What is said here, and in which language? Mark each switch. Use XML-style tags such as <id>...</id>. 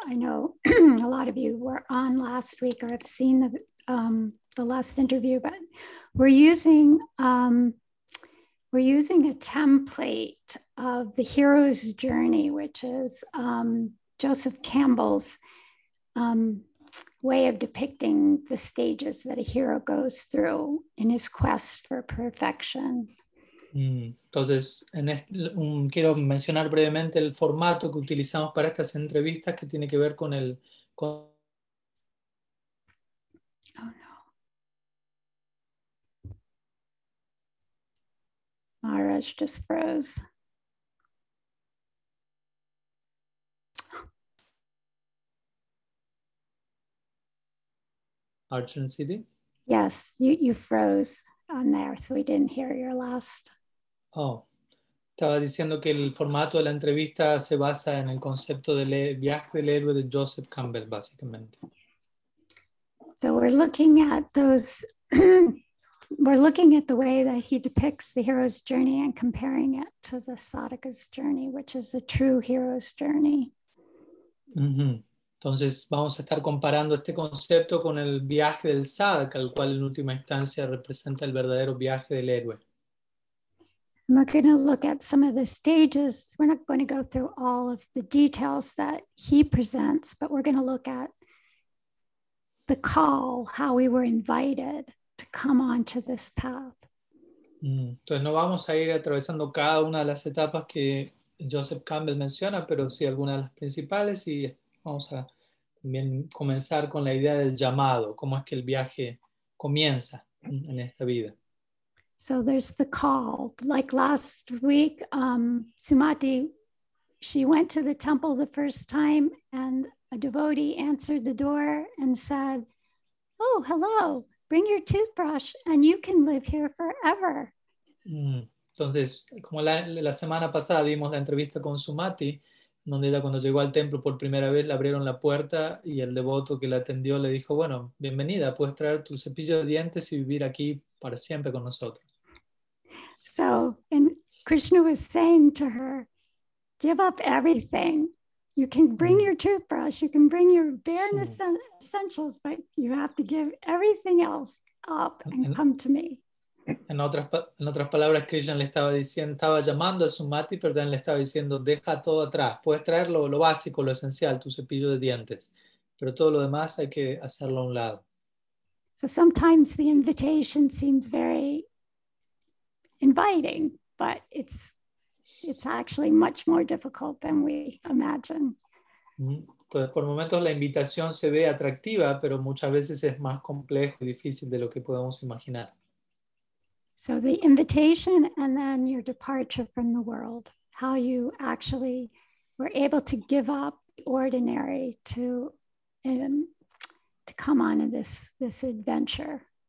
<en>I know a lot of you were on last week or have seen the last interview, but we're using a template of the hero's journey, which is Joseph Campbell's way of depicting the stages that a hero goes through in his quest for perfection.</en> <es>Entonces, quiero mencionar brevemente el formato que utilizamos para estas entrevistas que tiene que ver con el...</es> <en>Maharaj just froze. Archon City? Yes, you froze on there, so we didn't hear your last.</en> <es>Oh, estaba diciendo que el formato de la entrevista se basa en el concepto del viaje del héroe de Joseph Campbell, básicamente.</es> <en>So we're looking at those... We're looking at the way that he depicts the hero's journey and comparing it to the sadhaka's journey, which is the true hero's journey. Mm-hmm.</en> <es>Entonces, vamos a estar comparando este concepto con el viaje del sadhaka, el cual en última instancia representa el verdadero viaje del héroe.</es> <en>And we're going to look at some of the stages. We're not going to go through all of the details that he presents, but we're going to look at the call, how we were invited to come onto this path.</en> <es>Entonces no vamos a ir atravesando cada una de las etapas que Joseph Campbell menciona, pero sí algunas de las principales, y vamos a también comenzar con la idea del llamado, cómo es que el viaje comienza en esta vida.</es> <en>So there's the call. Like last week, Sumati, she went to the temple the first time and a devotee answered the door and said, "Oh, hello. Bring your toothbrush and you can live here forever."</en> <es>Entonces, como la semana pasada vimos la entrevista con Sumati, donde ella cuando llegó al templo por primera vez le abrieron la puerta y el devoto que la atendió le dijo, bueno, bienvenida, puedes traer tu cepillo de dientes y vivir aquí para siempre con nosotros.</es> <en>So, and Krishna was saying to her, give up everything. You can bring your toothbrush, you can bring your bare essentials, but you have to give everything else up and come to me.</en> <es>En otras palabras, Krishna le estaba diciendo, estaba llamando a Sumati, pero también le estaba diciendo, deja todo atrás. Puedes traer lo básico, lo esencial, tu cepillo de dientes, pero todo lo demás hay que hacerlo a un lado.</es> <en>So sometimes the invitation seems very inviting, but it's actually much more difficult than we imagine.</en> <es>Entonces, por momentos la invitación se ve atractiva, pero muchas veces es más complejo y difícil de lo que podemos imaginar.</es> <en>So the invitation and then your departure from the world, how you actually were able to give up ordinary to come on this adventure.</en>